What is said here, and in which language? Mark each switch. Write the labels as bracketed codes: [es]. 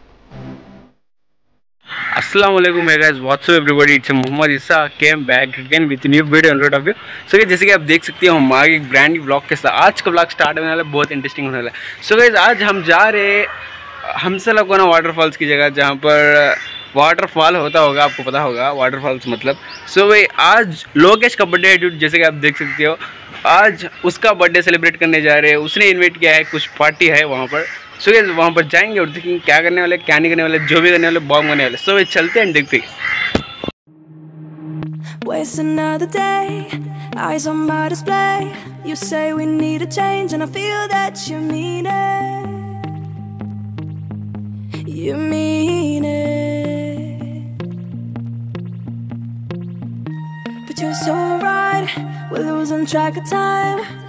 [en] Assalamualaikum, hey guys, what's up everybody? It's Muhammad Issa, came back again with new video on YouTube. So guys, [hi] जैसे कि आप देख सकते हो हमारे एक ब्रांड न्यू ब्लॉग के साथ आज का ब्लॉग स्टार्ट होने वाला है, बहुत इंटरेस्टिंग होने वाला है। [en] so guys, [hi] आज हम जा रहे हैं हमसला कोना वाटरफॉल्स की जगह, जहाँ पर वाटरफॉल होता होगा, आपको पता होगा वाटरफॉल्स मतलब। सो भाई, आज लोकेश का बर्थडे है, जैसे कि आप देख सकते हो आज उसका बर्थडे सेलिब्रेट करने जा रहे हैं। उसने इन्वाइट किया है, कुछ पार्टी है वहाँ पर। [en] so guys, [hi] वहाँ पर जाएंगे और देखेंगे क्या करने वाले, क्या नहीं करने वाले, जो भी करने वाले बॉम्ब करने वाले। [en] so guys, [hi] चलते हैं देखते हैं। [en] Waste another day, eyes on my display. You say we need a change and I feel that you mean it. You mean it. But you're so right, we're losing track of time.